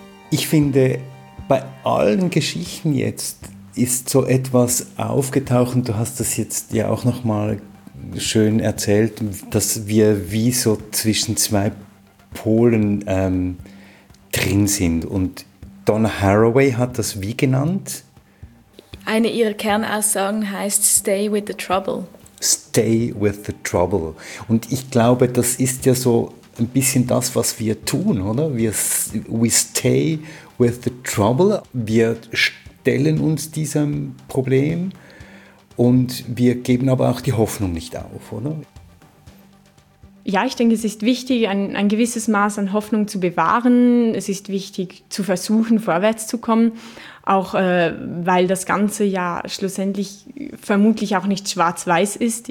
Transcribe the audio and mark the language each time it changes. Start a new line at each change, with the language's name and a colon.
German: Ich finde, bei allen Geschichten jetzt ist so etwas aufgetaucht, und du hast das jetzt ja auch noch mal schön erzählt, dass wir wie so zwischen zwei Polen drin sind. Und Donna Haraway hat das wie genannt? Eine ihrer Kernaussagen heißt
English: Stay with the Trouble. Stay with the Trouble.
German: Und ich glaube, das ist ja so ein bisschen das, was wir tun, oder?
English: We stay with the Trouble.
German: Wir stellen uns diesem Problem. Und wir geben aber auch die Hoffnung nicht auf, oder? Ja, ich denke, es ist wichtig, ein gewisses Maß an Hoffnung zu bewahren. Es ist wichtig, zu versuchen, vorwärts zu kommen. Auch weil das Ganze ja schlussendlich vermutlich auch nicht schwarz-weiß ist.